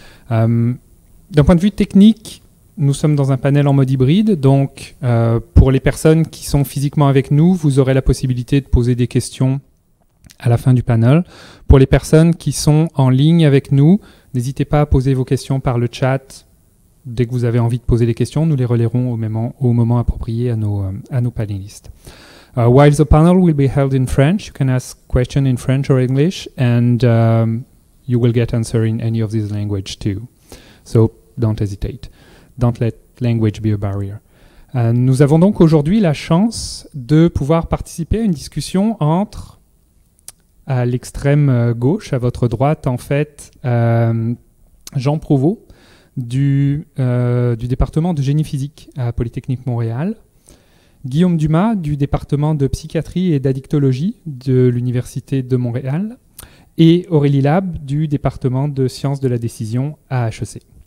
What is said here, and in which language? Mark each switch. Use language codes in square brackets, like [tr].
[fr] D'un point de vue technique, nous sommes dans un panel en mode hybride, donc pour les personnes qui sont physiquement avec nous, vous aurez la possibilité de poser des questions à la fin du panel. Pour les personnes qui sont en ligne avec nous, n'hésitez pas à poser vos questions par le chat. Dès que vous avez envie de poser des questions, nous les relayerons au moment approprié à nos panélistes. [en] While the panel will be held in French, you can ask questions in French or English, and you will get answer in any of these languages too. So don't hesitate. Don't let language be a barrier. [fr] Nous avons donc aujourd'hui la chance de pouvoir participer à une discussion entre à l'extrême gauche, à votre droite, en fait, Jean Prouveau du département de génie physique à Polytechnique Montréal, Guillaume Dumas du département de psychiatrie et d'addictologie de l'Université de Montréal et Aurélie Lab du département de sciences de la décision à HEC.